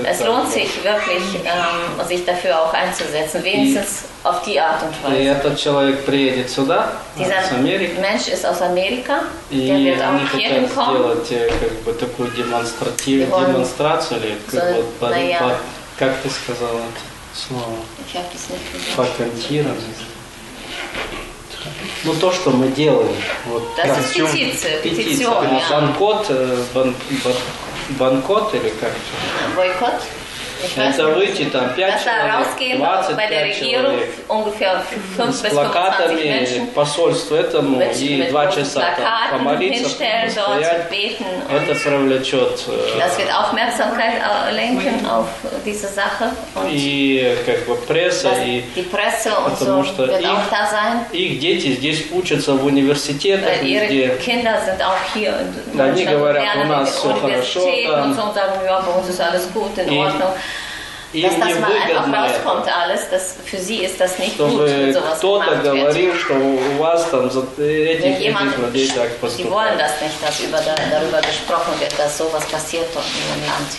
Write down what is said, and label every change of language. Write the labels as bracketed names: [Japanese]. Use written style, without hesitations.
[German] Es lohnt sich wirklich, sich dafür auch einzusetzen, wenigstens auf die Art und Weise. [Russian] И этот человек приедет сюда, из Америки. [German] Mensch ist aus Amerika, [Russian] как бы такую демонстрацию, или как ты сказала это слово? Ну, то, что мы делаем. Вот, [German] das ist петиция. [Russian] Банкот или как? Бойкот. Это выйти там 5 человек, 25 человек. С плакатами посольства этому и 2 часа там помолиться, постоять. Это привлечет. [German] Das wird Aufmerksamkeit lenken auf diese Sache. [Russian] И как бы пресса и потому что их дети здесь учатся в университетах везде. [German] Ihre Kinder sind auch hier. [Russian] Они говорят, у нас все хорошо там. [German] Dass das mal einfach rauskommt alles, das für sie ist das nicht gut, sowas gemacht wird. Sie wollen das nicht, dass darüber gesprochen wird, dass sowas passiert dort in dem Land.